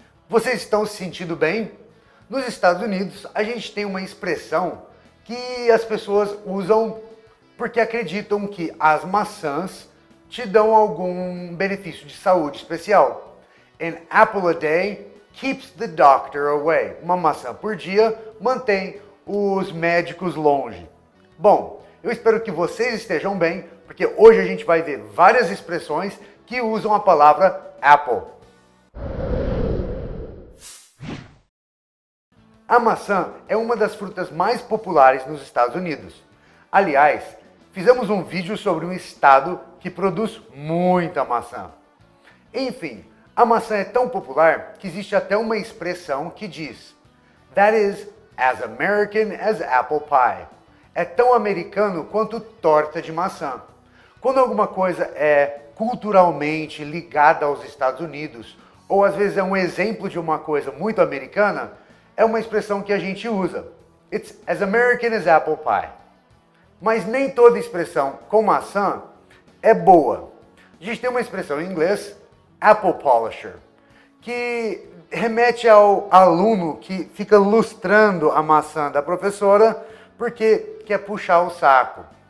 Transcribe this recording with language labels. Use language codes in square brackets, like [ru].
[pt] Vocês estão se sentindo bem? Nos Estados Unidos, a gente tem uma expressão que as pessoas usam porque acreditam que as maçãs te dão algum benefício de saúde especial. [en] An apple a day keeps the doctor away. [pt] Uma maçã por dia mantém os médicos longe. Bom, eu espero que vocês estejam bem, porque hoje a gente vai ver várias expressões que usam a palavra apple. A maçã é uma das frutas mais populares nos Estados Unidos. Aliás, fizemos um vídeo sobre um estado que produz muita maçã. Enfim, a maçã é tão popular que existe até uma expressão que diz [en] "That is as American as apple pie." [pt] É tão americano quanto torta de maçã. Quando alguma coisa é culturalmente ligada aos Estados Unidos, ou às vezes é um exemplo de uma coisa muito americana, é uma expressão que a gente usa. [en] It's as American as apple pie. [pt] Mas nem toda expressão com maçã é boa. A gente tem uma expressão em inglês, apple polisher, que remete ao aluno que fica lustrando a maçã da professora porque quer puxar o saco.